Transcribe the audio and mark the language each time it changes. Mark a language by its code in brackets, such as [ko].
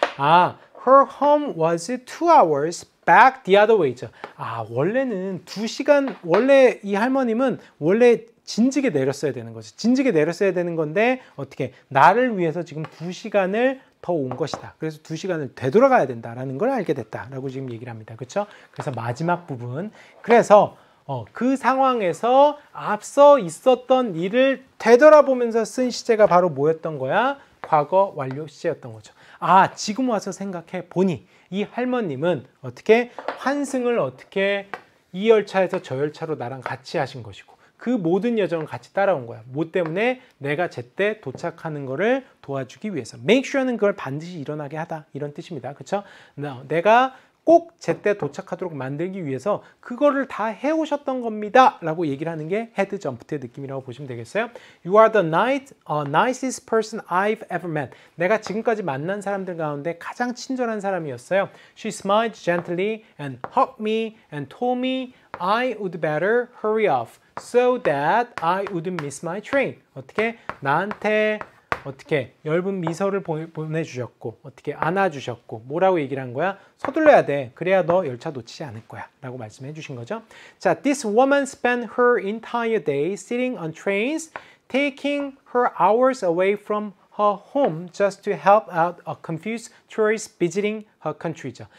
[en] 아, her home was 2 hours back the other way죠. [ko] 아, 원래 이 할머님은 원래 진지게 내렸어야 되는 거지. 진지게 내렸어야 되는 건데 나를 위해서 지금 2시간을 더 온 것이다. 그래서 2시간을 되돌아가야 된다라는 걸 알게 됐다라고 지금 얘기를 합니다. 그렇죠? 그래서 마지막 부분. 그래서 그 상황에서 앞서 있었던 일을 되돌아보면서 쓴 시제가 바로 뭐였던 거야? 과거 완료 시제였던 거죠. 아, 지금 와서 생각해 보니 이 할머님은 어떻게 환승을 어떻게 이 열차에서 저 열차로 나랑 같이 하신 것이고 그 모든 여정을 같이 따라온 거야. 뭐 때문에? 내가 제때 도착하는 거를 도와주기 위해서. Make sure는 그걸 반드시 일어나게 하다. 이런 뜻입니다. 그렇죠? 내가 꼭 제때 도착하도록 만들기 위해서 그거를 다 해오셨던 겁니다. 라고 얘기를 하는 게 헤드 점프트의 느낌이라고 보시면 되겠어요. [en] You are the nicest person I've ever met. [ko] 내가 지금까지 만난 사람들 가운데 가장 친절한 사람이었어요. [en] She smiled gently and hugged me and told me I would better hurry off so that I wouldn't miss my train. [ko] 어떻게? 나한테 어떻게 엷은 미소를 보내주셨고 어떻게 안아주셨고 뭐라고 얘기를 한 거야? 서둘러야 돼. 그래야 너 열차 놓치지 않을 거야 라고 말씀해 주신 거죠. [en] 자, This woman spent her entire day sitting on trains, taking her hours away from her home just to help out a confused tourist visiting her country죠.